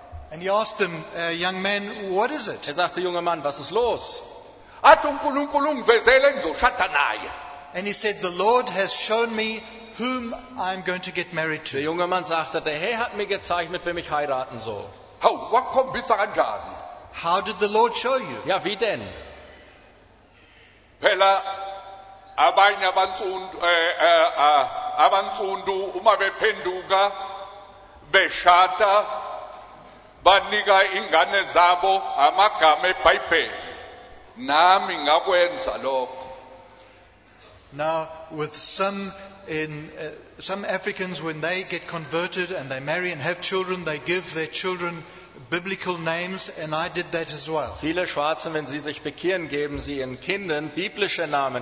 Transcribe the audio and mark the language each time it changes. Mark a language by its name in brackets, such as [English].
[English] And he asked him, young man, what is it? [German] Er sagte, junger Mann, was ist los? [English] And he said, the Lord has shown me whom I'm going to get married to. [German] Der junge Mann sagte, der Herr hat mir gezeigt, mit wem ich heiraten soll. [English] How did the Lord show you? [German] Ja, wie denn? [Zulu] Pela abanye abantsundu abantsundu uma bephenduka beshata banika ingane zabo amagama eBhayibheli nami ngakwenza lokho. [English] Now with some some Africans, when they get converted and they marry and have children, they give their children biblical names, and I did that as well. [German] Viele Schwarze, wenn sie sich bekehren, geben sie ihren Kindern biblische Namen.